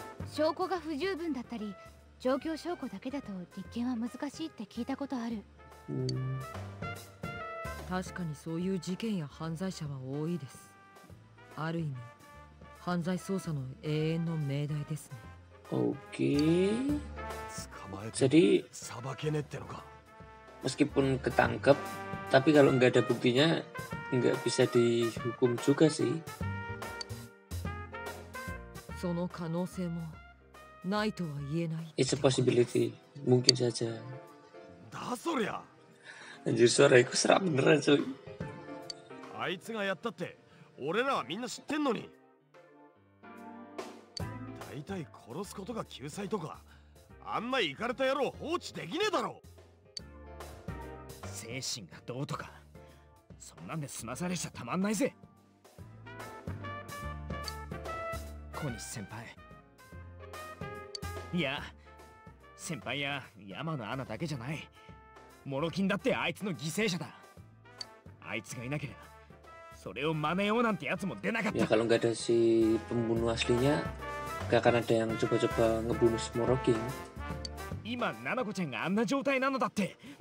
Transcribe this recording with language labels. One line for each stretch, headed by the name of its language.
Japanese: 証拠が不十分だったり、状況証拠だけだと立件は難しいって聞いたことある。確かにそういう事件や犯罪者は多いです。ある意味。犯罪捜査の永遠の命題ですね。 OK。捕まえて。
Indonesian: Jadi, sama kene
Japanese: ってのか。
Indonesian: Meskipun ketangkep, tapi kalau nggak ada buktinya, nggak bisa dihukum juga sih.
Japanese: その可能性もないとは言えない。
English: It's a possibility,
Indonesian: mungkin saja.
Japanese: だそりゃ。
Indonesian: Anjir, suara itu seram beneran, cuy.
Japanese: あいつがやったって、俺らはみんな知ってんのに。大体殺すことが救済とか、あんなイカれた野郎放置できねえだろ。精神がどうとか、そんなんで済まされちゃたまんないぜ。小西先輩。いや、先輩や山のアナだけじゃない。モロキンだってあいつの犠牲者だ。あいつがいなければ、それを真似ようなんてやつも出なかった。
Indonesian: いや、kalau nggak ada si pembunuh aslinya, nggak akan ada yang coba-coba ngebunuh si モロキン。
Japanese: 今、ナナコちゃんがあんな状態なのだって。